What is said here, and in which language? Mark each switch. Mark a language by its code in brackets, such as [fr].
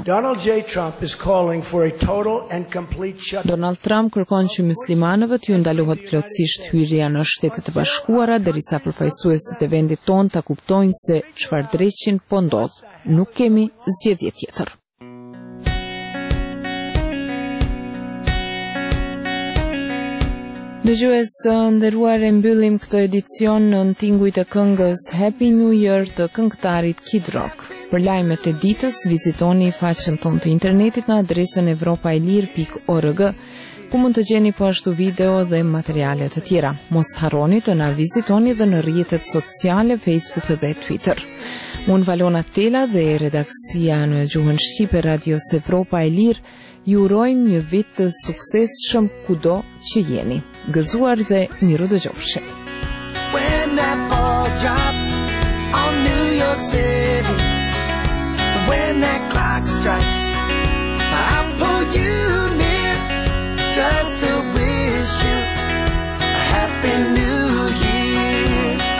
[en] Donald J. Trump is calling for a total and complete shutdown. [sq] Donald Trump kërkon që muslimanëve t'ju ndalohet plotësisht hyrja në Shtetet e Bashkuara derisa përfaqësuesit e vendit tonë ta kuptojnë se çfarë dreqin po ndodh. Nuk kemi zgjedhje tjetër. Dëgjues të nderuar, e mbyllim këtë edicion në tingujt e këngës Happy New Year të këngëtarit Kid Rock. Për lajmet e ditës, vizitoni faqen tonë të internetit në adresën evropailir.org, ku mund të gjeni po ashtu video dhe materialet të tjera. Mos harroni të na vizitoni dhe në rrjetet sociale Facebook dhe Twitter. Unë Valona Tela dhe redaksia në gjuhën Shqipe Radios Evropa e Lirë, ju urojmë një vit të suksesshëm kudo që jeni. Gëzuar dhe miru dëgjofshim. [en] When that ball drops on New York City, when that clock strikes, I'll pull you near just to wish you a happy new year.